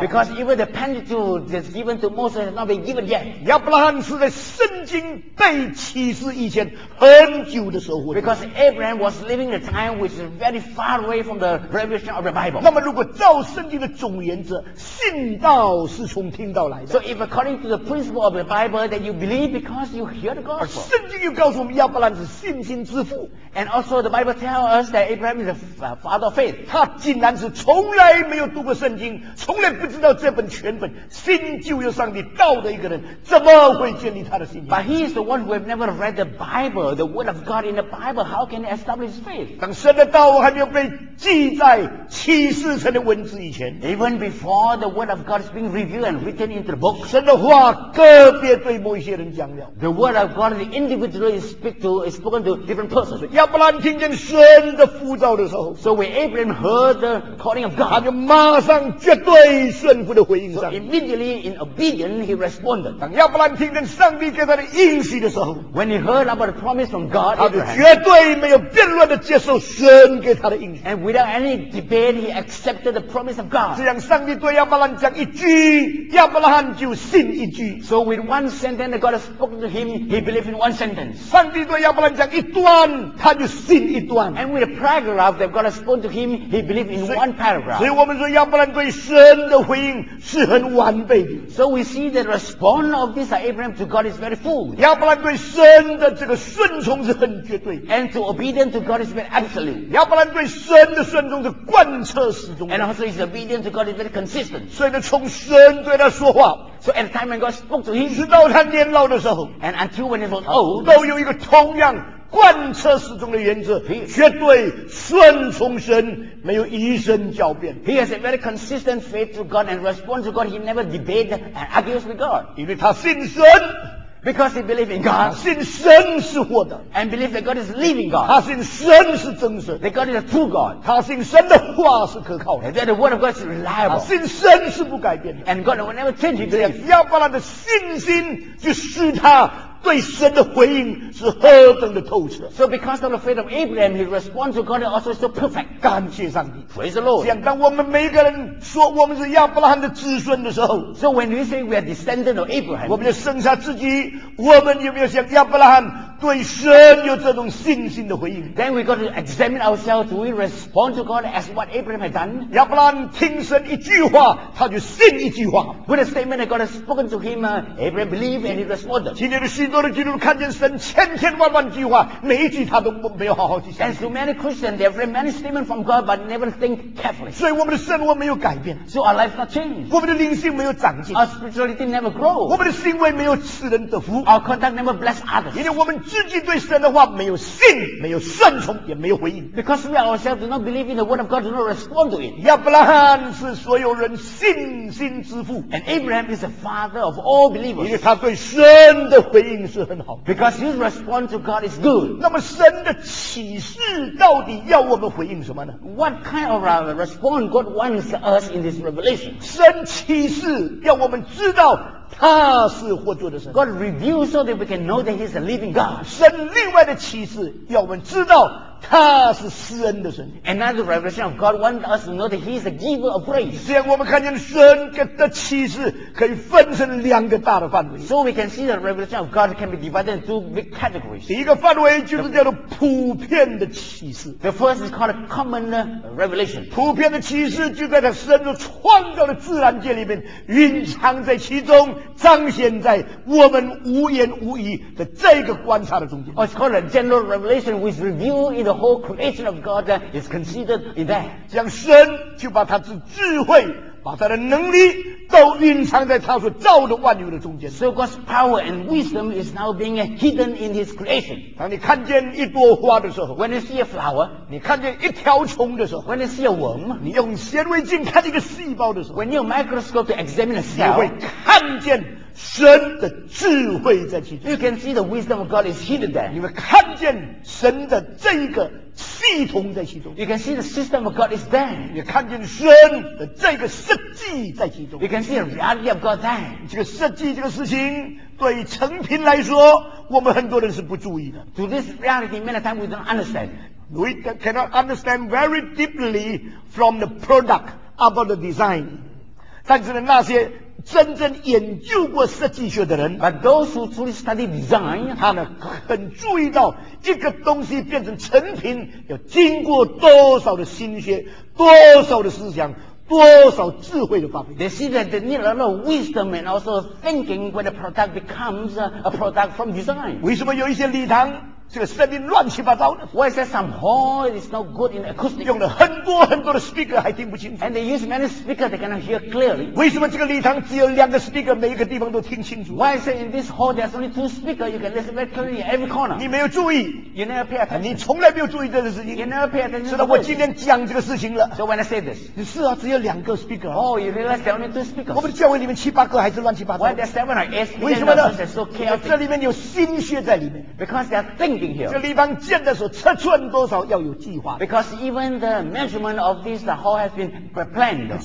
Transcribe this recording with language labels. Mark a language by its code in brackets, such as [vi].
[en] Because even the Pentateuch that's given to Moses has not been given yet. [zh] 亚伯拉罕是在圣经被启示以前很久的时候 [en] Because Abraham was living the time which is very far away from the revelation of the Bible. [zh] 那么如果照圣经的总原则信道是从听到来的 [en] So if according to the principle of the Bible that you believe because you hear the gospel. [zh] 圣经又告诉我们亚伯拉罕是信心之父 [en] And also the Bible tells us that Abraham is the father of faith. [zh] 他竟然是从来没有读过圣经从来不知道这本全本新旧约上帝道的一个人怎么会建立他的信心 [en] But he is the one who have never read the Bible, the word of God in the Bible. How can he establish faith? [zh] 当神的道我还没有被记在启示成的文字以前 [en] Even before the word of God is being revealed and written into the book [zh] 神的话个别对某一些人讲了 [en] The word of God the individual is spoken to different persons [zh] 亚伯兰听见神的呼召的时候 [en] So when Abraham heard the calling of God [zh] 他就马上绝对顺服的回应上 [en] So immediately in obedience he responded [zh] 当亚伯兰听见上帝给他的应许的时候 [en] When he heard about the promise from God [zh] 他就绝对没有辩论的接受神 [en] And without any debate, he accepted the promise of God. [zh] 这样上帝对亚伯拉罕讲一句，亚伯拉罕就信一句。 [en] So with one sentence, God spoke to him, he believed in one sentence. [zh] 上帝对亚伯拉罕讲一段，他就信一段。 [en] And with a paragraph that God spoke to him, he believed in one paragraph. [zh] 所以我们说亚伯拉罕对神的回应是很完备的。 [en] So we see the response of this Abraham to God is very full. [zh] 亚伯拉罕对神的这个顺从是很绝对。 [en] And to obedient to God is very absolute. [zh] 亚伯兰对神的顺从是贯彻始终的 [en] And also his obedience to God is very consistent [zh] 所以呢从神对他说话 [en] So at the time when God spoke to him [zh] 直到他年老的时候 [en] And until when he was old [zh] 都有一个同样贯彻始终的原则，绝对顺从神，没有一声狡辩。 [en] He has a very consistent faith to God and response to God. He never debates and argues with God. [zh] 因为他信神。 [en] Because he believes in God. [zh] 他信神是活的。 [en] And believes that God is living God. [zh] 他信神是真神。 [en] That God is a true God. [zh] 他信神的话是可靠的。 [en] And that the word of God is reliable. [zh] 他信神是不改变的。 [en] And God will never change himself. [zh] 亚伯拉罕的信心就使他对神的回应是何等的透彻。 [en] So because of the faith of Abraham, his response to God is also so perfect. [zh] 感谢上帝。 [en] Praise the Lord. [zh] 这样当我们每一个人说我们是亚伯拉罕的子孙的时候， [en] So when we say we are descendant of Abraham, [zh] 我们就剩下自己，我们有没有像亚伯拉罕对神有这种信心的回应？ [en] Then we got to examine ourselves. Do we respond to God as what Abraham had done? [zh] 亚伯拉罕听神一句话，他就信一句话。 [en] With a statement that God has spoken to him, Abraham believed and he responded. [zh] 今天的信多的基督徒看见神千千万万句话，每一句他都没有好好去想。 [en] And so many Christians, they have read many statements from God, but never think carefully. [zh] 所以我们的生活没有改变。 [en] So our life not changed. [zh] 我们的灵性没有长进。 [en] Our spirituality never grow. [zh] 我们的行为没有赐人得福。 [en] Our conduct never bless others. [zh] 因为我们自己对神的话没有信，没有顺从，也没有回应。 [en] Because we ourselves do not believe in the word of God, do not respond to it. [zh] 亚伯拉罕是所有人信心之父。 [en] And Abraham is the father of all believers. [zh] 因为他对神的回应。 [en] Because his response to God is good. [zh] 那么神的启示到底要我们回应什么呢？ [en] What kind of a response God wants us in this revelation? [zh] 神启示要我们知道他是活着的神。 [en] God reveals so that we can know that he is a living God. [zh] 神另外的启示要我们知道他是施恩的神。 [en] Another revelation of God wants us to know that he is the giver of grace. [zh] 这样我们看见神的启示可以分成两个大的范围。 [en] So we can see the revelation of God can be divided into two big categories. [zh] 第一个范围就是叫做普遍的启示。 [en] The first is called a common revelation. [zh] 普遍的启示就在他神所创造的自然界里面蕴藏在其中，彰显在我们无言无语的这个观察的中间。 [en] Oh, it's called a general revelation which reveals in the whole creation of God is considered in that. [zh] 将神就把他的智慧，把他的能力都蕴藏在他所造的万有的中间。 [en] So God's power and wisdom is now being hidden in his creation. [zh] 当你看见一朵花的时候， [en] When you see a flower, [zh] 你看见一条虫的时候， [en] When you see a worm, [zh] 你用显微镜看一个细胞的时候， [en] When you microscope to examine a cell, [zh] 你会看见神的智慧在其中。 [en] You can see the wisdom of God is hidden there. [zh] 你会看见神的这一个系统在其中。 [en] You can see the system of God is there. [zh] 你看见神的这个设计在其中。 [en] You can see the reality of God there. [zh] 这个设计这个事情对成品来说，我们很多人是不注意的。 [en] To this reality, many times we don't understand. We cannot understand very deeply from the product about the design. [zh] 但是那些真正研究过设计学的人， [en] But those who truly study design, [zh] 他呢很注意到一个东西变成成品要经过多少的心血，多少的思想，多少智慧的发明。 [en] They see that they need a lot of wisdom and also thinking when a product becomes a product from design. [zh] 为什么有一些礼堂这个声音乱七八糟的？ [en] Why is that some hall is not good in acoustics? [zh] 用了很多很多的 speaker 还听不清楚。 [en] And they use many speakers, they cannot hear clearly. [zh] 为什么这个礼堂只有两个 speaker, 每一个地方都听清楚？ [en] Why is that in this hall there's only two speakers, you can listen very clearly in every corner? [zh] 你没有注意。 [en] You never pay attention. [zh] 你从来没有注意这个事情。 [en] You never pay attention. [zh] 是的，我今天讲这个事情了。 [en] So when I say this, [zh] 你是啊，只有两个 speaker. [en] Oh, you realize there only two speakers. [zh] 我们教会里面七八个还是乱七八糟。 [en] Why there's seven or eight? [zh] 为什么呢？ [en] So chaotic. [zh] 这里面有心血在里面。 [en] Because they are thinking. [zh] 这地方建的时候尺寸多少要有计划。 [en] Because even the measurement of this the hall has been planned.